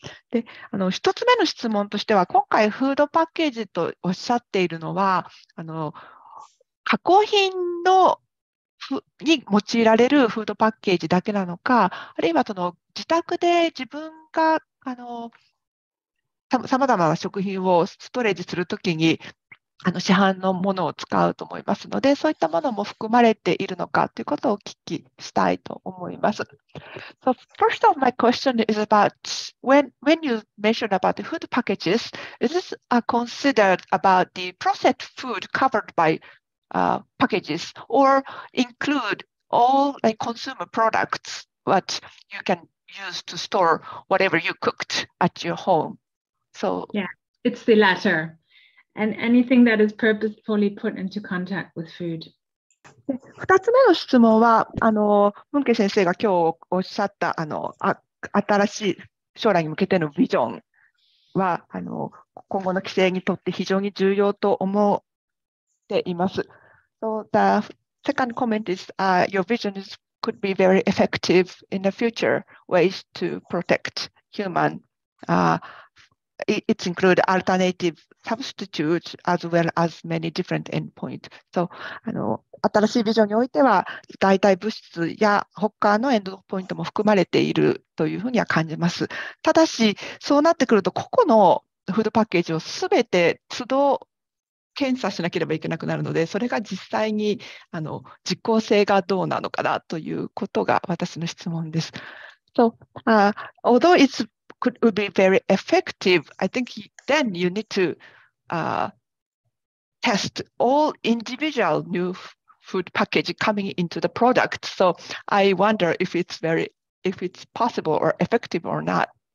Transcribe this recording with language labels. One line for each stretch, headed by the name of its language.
Japanese: で、一つ目の質問としては、今回フードパッケージとおっしゃっているのは、加工品のに用いられるフードパッケージだけなのか、あるいはその自宅で自分がさまざまな食品をストレージするときに市販のものを使うと思いますので、そういったものも含まれているのかということをお聞きしたいと思います。
English: So first of my question is about when you mentioned about the food packages, is this considered about the processed food covered by packages or include all like consumer products what you can use to store whatever you cooked at your home? So yeah, it's the latter. And anything that is purposefully put into contact with food.
Japanese: 2つ目の質問は、文慶先生が今日おっしゃった新しい将来に向けてのビジョンは、今後の規制にとって非常に重要と思っています。
English: So the second comment is, your vision is, could be very effective in the future ways to protect human It includes alternative substitutes as well as many different endpoints.
Japanese: So, 新しいビジョンにおいては代替物質や他のエンドポイントも含まれているというふうには感じます。ただし、そうなってくると個々のフードパッケージをすべて都度検査しなければいけなくなるので、それが実際に実効性がどうなのかなということが私の質問です。
English: So, although it'sCould be very effective. I think then you need to test all individual new food package coming into the product. So I wonder if it's possible or effective or not.